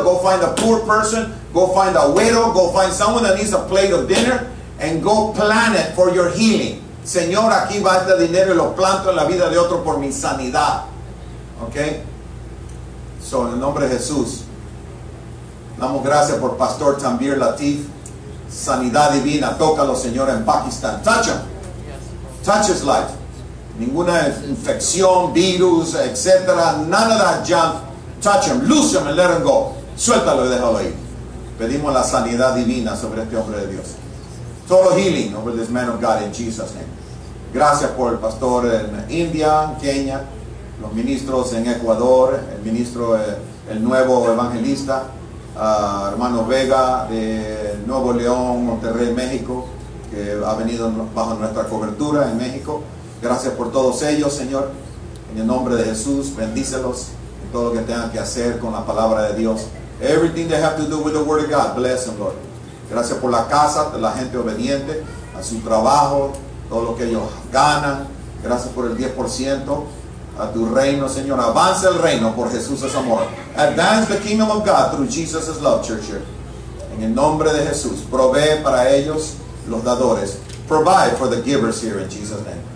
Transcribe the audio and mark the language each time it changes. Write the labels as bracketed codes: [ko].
[en] Go find a poor person, go find a widow, go find someone that needs a plate of dinner, and go plant it for your healing. [es] Señor, aquí va este dinero y lo planto en la vida de otro por mi sanidad. Okay. So, en el nombre de Jesús, damos gracias por Pastor Tanvir Latif. Sanidad divina, tócalo, Señor, en Pakistán. [en] Touch him. Touch his life. [es] Ninguna infección, virus, etcétera, [en] none of that junk. Touch him, loose him, and let him go. [es] Suéltalo y déjalo ahí. Pedimos la sanidad divina sobre este hombre de Dios. [en] Total healing over this man of God in Jesus' name. [es] Gracias por el pastor en India, en Kenia, los ministros en Ecuador, el ministro, el nuevo evangelista, hermano Vega de Nuevo León, Monterrey, México, que ha venido bajo nuestra cobertura en México. Gracias por todos ellos, Señor. En el nombre de Jesús, bendícelos en todo lo que tengan que hacer con la palabra de Dios. [en] Everything they have to do with the word of God, bless them, Lord. [es] Gracias por la casa, de la gente obediente a su trabajo, todo lo que ellos ganan. Gracias por el 10% a tu reino, Señor. Avanza el reino por Jesús' amor. [en] Advance the kingdom of God through Jesus' love, church. [es] En el nombre de Jesús, provee para ellos los dadores. [en] Provide for the givers here in Jesus' name.